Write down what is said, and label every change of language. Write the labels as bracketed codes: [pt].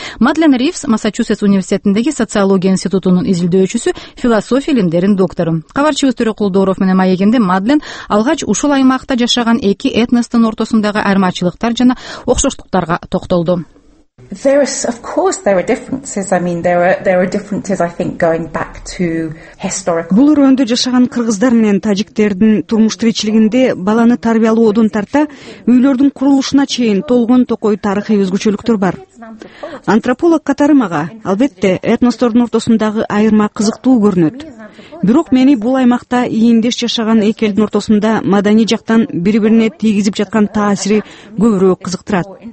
[ky] Мадлен Ривс, Массачусетс университетиндеги социология институтунун изилдөөчүсү, философия илимдерин доктору. Кабарчыбыз Төрөкулдоров менен маегинде Мадлен алгач ушул аймакта жашаган эки этностун ортосундагы айырмачылыктар жана окшоштуктарга токтолду. [en] There are differences. I mean, there are differences, I think, going back to historical. [ky] Бул өрөндө жашаган кыргыздар менен тажиктердин турмуш тиричилигинде баланы тарбиялоодон тарта үйлөрдүн курулушуна чейин толгон токой тарыхый өзгөчөлүктөр бар. Антрополог катары мага, албетте, этностордун ортосундагы айырма кызыктуу көрүнөт. Бирок мени бул аймакта ийиндеш жашаган эки элдин ортосунда маданий жактан бири-бирине тийгизип жаткан таасири көбүрөөк кызыктырат.